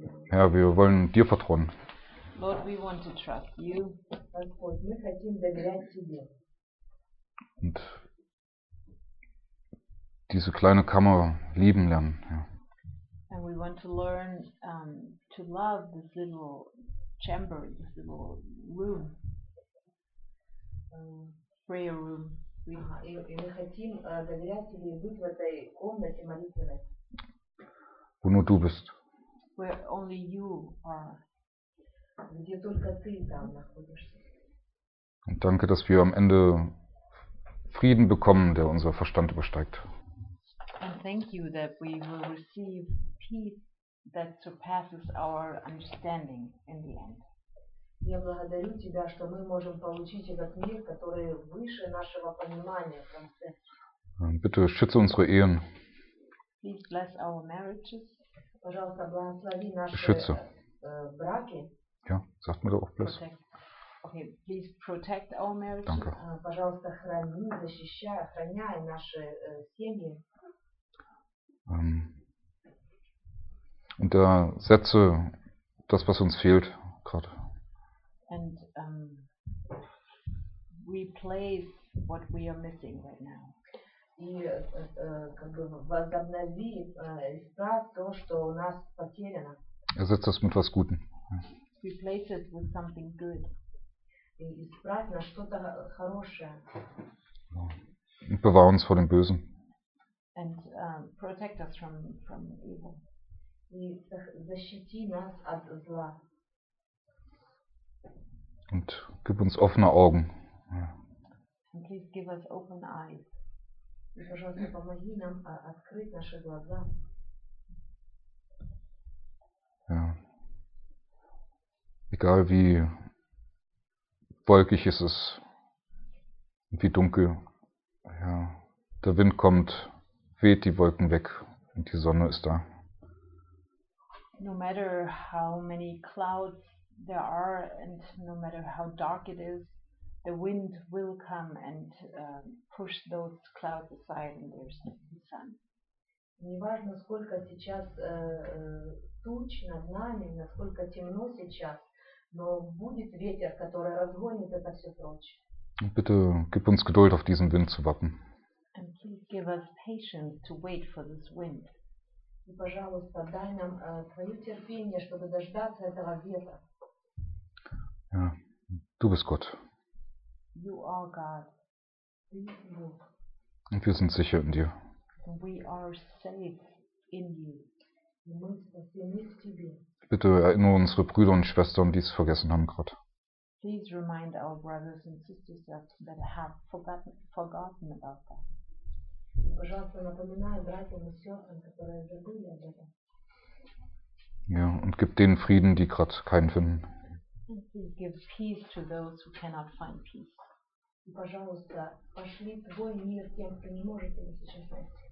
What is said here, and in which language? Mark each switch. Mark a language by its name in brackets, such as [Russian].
[German] Herr, wir wollen dir vertrauen. [English] Lord, we want to trust you. [Russian] Господь, мы хотим доверять тебе. [German] Und diese kleine Kammer lieben lernen. Ja. [English] And we want to learn to love this little chamber, this little room, prayer room. [Russian] Мы хотим доверять тебе и быть в этой комнате молитвенной. [German] Wo nur du bist. [English] Where only you are. [Russian] Где только ты там находишься. [German] Und danke, dass wir am Ende Frieden bekommen, der unser Verstand übersteigt. [English] And thank you that we will receive peace that surpasses our understanding in the end. [Russian] Я благодарю тебя, что мы можем получить этот мир, который выше нашего понимания в конце. [German] Bitte schütze unsere Ehen. [English] Please bless our marriages. [Russian] Пожалуйста, благослови наши браки. [German] Ja, sagt mir doch auch bless. [English] Okay, please protect our marriage. [Russian] Пожалуйста, храни, защищай, охраняй наши семьи. [German] Und ersetze das, was uns fehlt gerade. [English] And replace what we are missing right now. [Russian] И как бы возобнови, исправь то, что у нас потеряно. [German] Ersetze es mit was Gutem. [English] Replace it with something good. [Russian] И исправь на что-то хорошее. [German] Und bewahr uns vor dem Bösen. [English] And protect us from evil. [Russian] И защити нас от зла. [German] Und gib uns offene Augen. [English] And please give us open eyes. [Russian] И, пожалуйста, помоги нам открыть наши глаза. [German] Ja. Egal wie wolkig ist es, wie dunkel. Ja. Der Wind kommt. Weht die Wolken weg und die Sonne ist da. [English] No matter how many clouds there are and no matter how dark it is, the wind will come and push those clouds aside and there's the sun. [Russian] Не важно, сколько сейчас туч над нами, насколько темно сейчас, но будет ветер, который разгонит это все прочь. [German] Bitte gib uns Geduld, auf diesen Wind zu warten. [English] And please give us patience to wait for this wind. [Russian] И, пожалуйста, дай нам твое терпение, чтобы дождаться этого ветра. [German] Ja, du bist Gott. [English] You are God. [German] Und wir sind sicher in dir. [English] And we are safe in you. [German] Wir müssen es tun. Bitte erinnere unsere Brüder und Schwestern, die es vergessen haben gerade. [English] Please remind our brothers and sisters that have forgotten about that. [Russian] Пожалуйста, напоминаю братьям и сестрам, которые забыли об этом. [German] Ja, und gib denen Frieden, die gerade keinen finden. [English] And please give peace to those who cannot find peace. [Russian] И, пожалуйста, пошли твой мир тем, кто не может его сейчас найти.